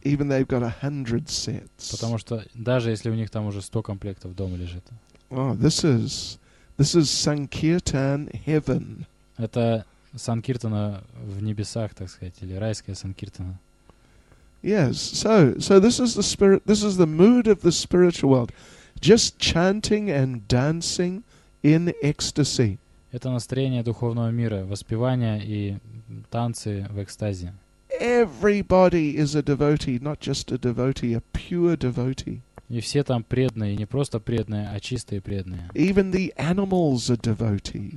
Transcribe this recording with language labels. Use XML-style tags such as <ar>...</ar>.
<en>Even they've got 100 sets.</en> <ru>Потому что даже если у них там уже 100 комплектов дома лежит.</ru> <en>Oh, this is Sankirtan heaven.</en> <ru>Это Санкиртана в небесах, так сказать, или райская Санкиртана.</ru> <en>Yes. So this is the spirit. This is the mood of the spiritual world. Just chanting and dancing in ecstasy.</en> <ru>Это настроение духовного мира, воспевание и танцы в экстазе.</ru> <en>Everybody is a devotee, not just a devotee, a pure devotee.</en> <ru>И все там преданные, не просто преданные, а чистые преданные.</ru> <en>Even the animals are devotees.</en>